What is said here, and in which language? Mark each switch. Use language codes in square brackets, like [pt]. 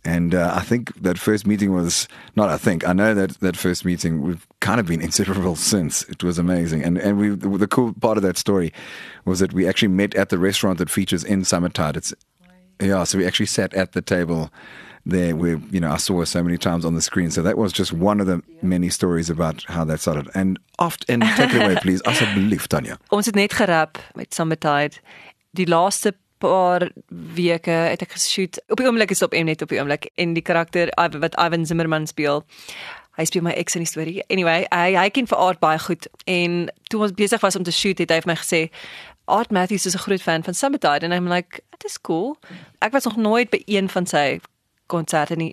[en] And I think that first meeting was, not I think, I know that first meeting, we've kind of been inseparable since. It was amazing. And we, the cool part of that story was that we actually met at the restaurant that features in Summertide. It's, yeah, so we actually sat at the table there, where, you know, I saw her so many times on the screen. So that was just one of the many stories about how that started. And often, take it away, please. Asseblief, Tanya. [af] Ons het net gerap met Summertide. Die laaste paar weke het ek geshoot. Op die oomblik is op Mnet, op die oomblik. En die karakter wat Ivan Zimmerman speel, hy speel my ex in die story. Anyway, hy ken vir Art baie goed. En toe ons besig was om te shoot, het hy vir my gesê, Art Matthews is 'n groot fan van Summertide. [en] And I'm like, it is cool. [af] Ek was nog nooit by een van sy konserte nie.